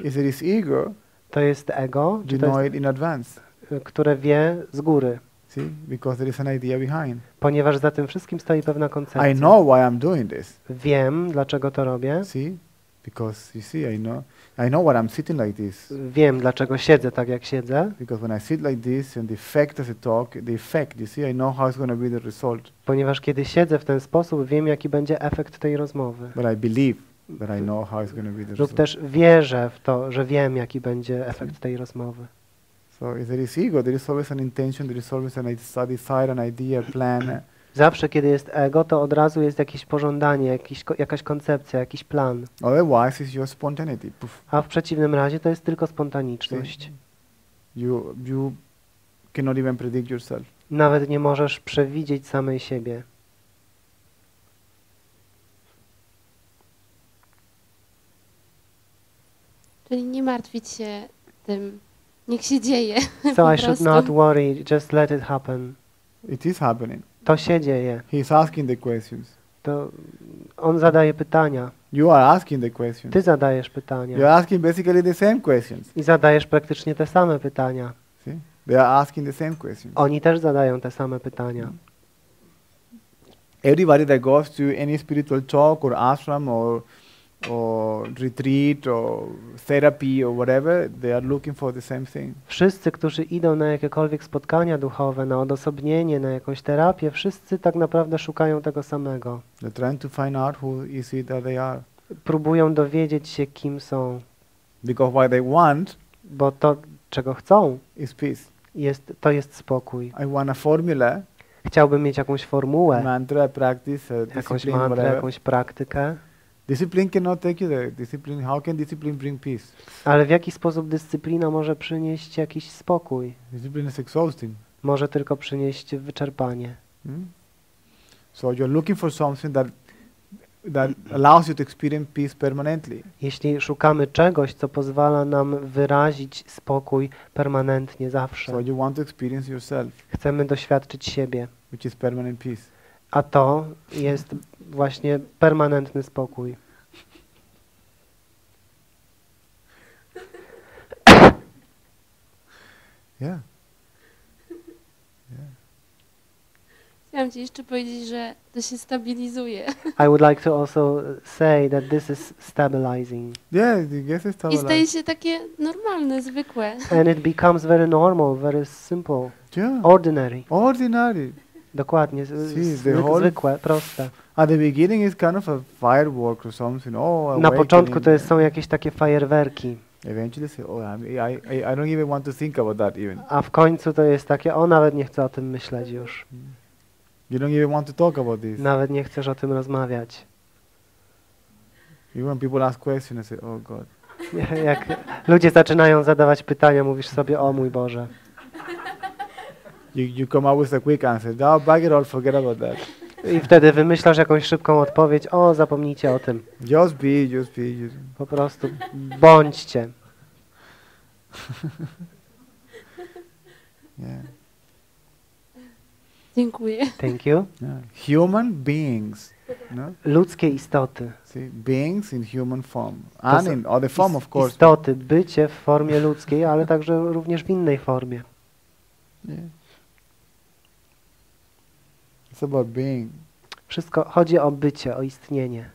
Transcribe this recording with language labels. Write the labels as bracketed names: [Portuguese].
[English] Is it his ego? [Polish] To jest ego. [English] Do you know it in advance? [Polish] Które wie z góry. [English] Because there is an idea behind. [Polish] Ponieważ za tym wszystkim stoi pewna koncepcja. [English] I know why I'm doing this. [Polish] Wiem, dlaczego to robię. [English] See? Because you see, I know why I'm sitting like this. [Polish] Wiem, dlaczego siedzę tak, jak siedzę. [English] Because when I sit like this and the effect of the talk, the effect, you see, I know how it's going to be the result. [Polish] Ponieważ kiedy siedzę w ten sposób, wiem, jaki będzie efekt tej rozmowy. [English] But I believe that I know how it's going to be the result. [Polish] Lub też wierzę w to, że wiem, jaki będzie efekt tej rozmowy. [English] So if there is ego, there is always an intention, there is always a desire, an idea, a plan. [Polish] Zawsze, kiedy jest ego, to od razu jest jakieś pożądanie, jakaś koncepcja, jakiś plan. [English] Otherwise it's your spontaneity. Puff. [Polish] A w przeciwnym razie to jest tylko spontaniczność. [English] You cannot even predict yourself. [Polish] Nawet nie możesz przewidzieć samej siebie. Czyli nie martwić się tym. Niech się dzieje. [English] So I should not worry, just let it happen. It is happening. [Polish] To się dzieje. [English] He is asking the questions. [Polish] To on zadaje pytania. [English] You are asking the questions. [Polish] Ty zadajesz pytania. [English] You are asking basically the same questions. [Polish] I zadajesz praktycznie te same pytania. [English] See? They are asking the same questions. [Polish] Oni też zadają te same pytania. [English] Everybody that goes to any spiritual talk or ashram or retreat or therapy or whatever, they are looking for the same thing. [Polish] Wszyscy, którzy idą na jakiekolwiek spotkania duchowe, na odosobnienie, na jakąś terapię, wszyscy tak naprawdę szukają tego samego. [English] They're trying to find out who is it that they are. [Polish] Próbują dowiedzieć się, kim są. [English] Because what they want, [Polish] bo to, czego chcą, [English] is peace. [Polish] Jest, to jest spokój. [English] I want a formula. [Polish] Chciałbym mieć jakąś formułę. [English] Mantra, practice, [Polish] jakąś mantrę, [English] whatever. [Polish] Jakąś praktykę. [English] Discipline cannot take you there. Discipline, how can discipline bring peace? [Polish] Ale w jaki sposób dyscyplina może przynieść jakiś spokój? [English] Discipline is exhausting. [Polish] Może tylko przynieść wyczerpanie. Hmm? [English] So you're looking for something that allows you to experience peace permanently. [Polish] Jeśli szukamy czegoś, co pozwala nam wyrazić spokój permanentnie, zawsze. [English] So you want to experience yourself. [Polish] Chcemy doświadczyć siebie. [English] Which is permanent peace. [Polish] A to jest właśnie permanentny spokój. [English] Yeah. [Polish] Chciałam ci jeszcze powiedzieć, że to się stabilizuje. [English] I would like to also say that this is stabilizing. Yeah, I guess it's stabilizing. [Polish] I staje się takie normalne, zwykłe. [English] And it becomes very normal, very simple. Yeah. Ordinary. Ordinary. [Polish] Dokładnie, zwykłe, proste. [English] At the beginning is kind of a firework or something. Oh, [Polish] na początku to jest, są jakieś takie fajerwerki. [English] Eventually say, oh, I don't even want to think about that even. [Polish] A w końcu to jest takie, o, nawet nie chcę o tym myśleć już. [English] You don't even want to talk about this. [Polish] Nawet nie chcesz o tym rozmawiać. [English] Even people ask questions and say, oh God. [Polish] Jak ludzie zaczynają zadawać pytania, mówisz sobie, o mój Boże. [English] You come up with a quick answer. No, bag it all, forget about that. [Polish] I wtedy wymyślasz jakąś szybką odpowiedź. O, zapomnijcie o tym. [English] Just be. [Polish] Po prostu bądźcie. [English] Yeah. [Polish] Dziękuję. [English] Thank you. Yeah. Human beings. No? [Polish] Ludzkie istoty. [English] See, beings in human form. And in other form, of course. [Polish] Istoty, bycie w formie ludzkiej, ale także również w innej formie. [English] Yeah. It's about being. [Polish] Wszystko chodzi o bycie, o istnienie.